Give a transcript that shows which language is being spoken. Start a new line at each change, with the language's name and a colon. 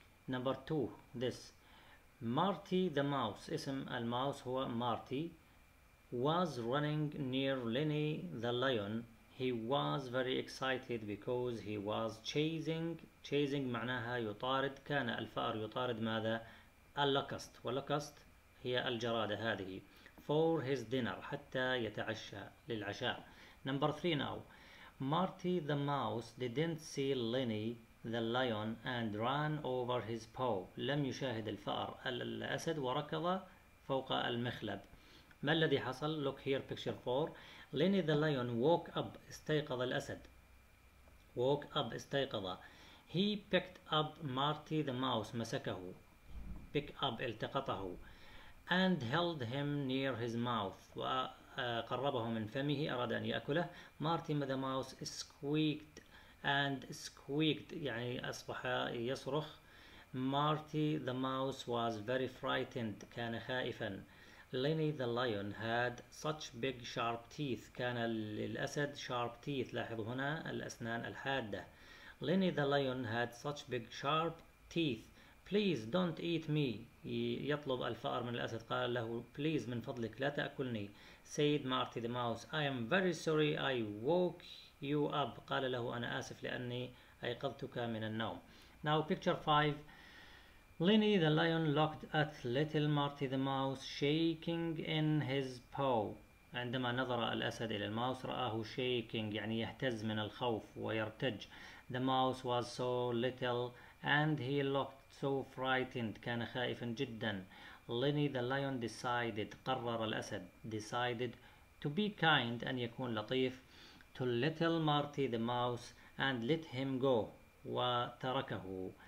English: Number two. This Marty the mouse،
Arabic: اسم الماوس هو مارتي،
English: was running near Lenny the lion. He was very excited because he was chasing
Arabic: معناها يطارد. كان الفأر يطارد ماذا؟ اللقست، واللقست هي الجرادة هذه.
English: For his dinner،
Arabic: حتى يتعشى للعشاء.
English: Number three now. Marty the mouse didn't see Lenny the lion and ran over his paw.
Arabic: لم يشاهد الفأر الأسد وركض فوق المخلب. ما الذي حصل؟
English: Look here picture 4. Lenny the lion woke up،
Arabic: استيقظ الأسد.
English: Woke up،
Arabic: استيقظ.
English: He picked up Marty the mouse،
Arabic: مسكه.
English: Pick up،
Arabic: التقطه.
English: And held him near his mouth،
Arabic: وقربه من فمه، أراد أن يأكله.
English: Marty the mouse squeaked and squeaked،
Arabic: يعني أصبح يصرخ.
English: Marty the mouse was very frightened،
Arabic: كان خائفا.
English: Lenny the lion had such big sharp teeth،
Arabic: كان للأسد
English: sharp teeth،
Arabic: لاحظوا هنا الأسنان الحادة.
English: Lenny the lion had such big sharp teeth. Please don't eat me،
Arabic: يطلب الفأر من الأسد، قال له: Please، من فضلك لا تأكلني.
English: Said Marty the mouse: I am very sorry I woke you up،
Arabic: قال له: أنا آسف لأني أيقظتك من النوم.
English: Now picture 5. Lenny the lion looked at little Marty the mouse shaking in his paw.
Arabic: عندما نظر الأسد إلى الماوس رآه shaking، يعني يهتز من الخوف ويرتج.
English: The mouse was so little and he looked so frightened،
Arabic: كان خائفا جدا.
English: Lenny the lion decided،
Arabic: قرر الأسد،
English: decided to be kind،
Arabic: أن يكون لطيف،
English: to little Marty the mouse and let him go،
Arabic: وتركه.